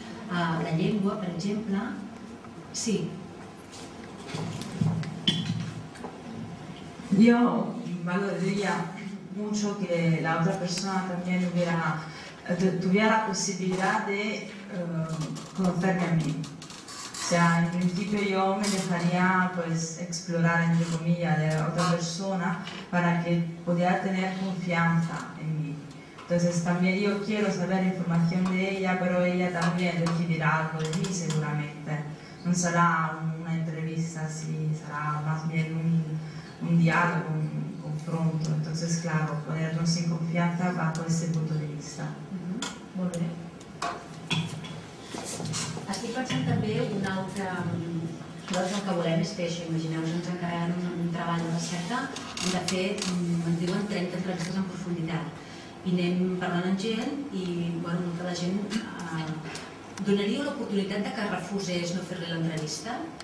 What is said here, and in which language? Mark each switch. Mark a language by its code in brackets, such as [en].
[ca] La llengua, per exemple, sí. Jo, m'agradaria [es] mucho que l'altra persona també tuviera la posibilidad de conocerme a mí. O sea, en principio yo me dejaría pues, explorar, entre comillas, de otra persona para que pudiera tener confianza en mí. Entonces, también yo quiero saber información de ella, pero ella también recibirá algo de mí, seguramente. No será una entrevista así, será más bien un diálogo, un confronto. Entonces, claro, ponernos en confianza bajo ese punto de vista. [ca] Molt bé. Estic pensant també un altre... Nosaltres el que volem és fer això, imagineu-vos, ens encarreguem un treball de recerca, hem de fer, ens diuen, 30 entrevistes en profunditat. I anem parlant amb gent i, bueno, molta la gent donaria l'oportunitat de que refusés no fer-li l'entrevista.